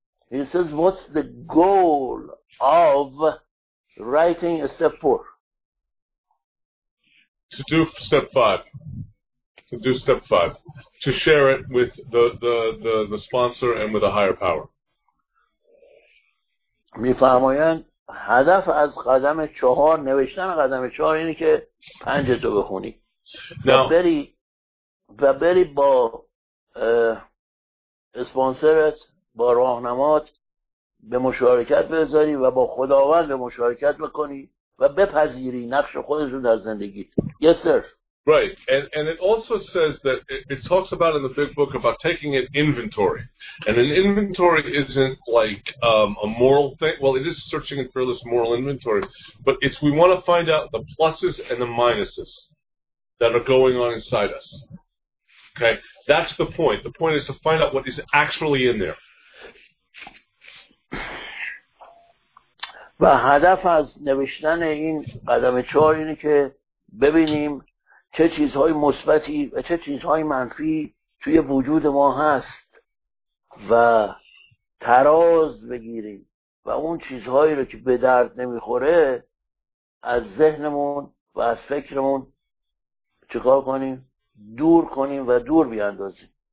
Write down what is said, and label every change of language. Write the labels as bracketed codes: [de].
[en] He says, what's the goal of writing a step 4? To do step 5. To do step 5. To share it with the sponsor and with a higher power. [fa] میفهمین؟ هدف از قدم چهار، نوشتن قدم چهار اینه که پنجتو بخونی و بری با اسپانسرت، با راهنمات به مشارکت بذاری و با خداوند به مشارکت بکنی و بپذیری نقش خودت رو در زندگیت. [en] Yes sir. Right, and it also says that it talks about in the big book about taking an inventory, and an inventory isn't like a moral thing. Well, it is searching for this moral inventory, but it's we want to find out the pluses and the minuses that are going on inside us. Okay, that's the point. The point is to find out what is actually in there. [fa] و هدف از نوشتن این قدم چهار اینه که ببینیم چه چیزهای مثبتی و چه چیزهای منفی توی وجود ما هست و تراز بگیریم و اون چیزهایی رو که به درد نمیخوره از ذهنمون و از فکرمون چیکار کنیم؟ دور کنیم و دور بیاندازیم.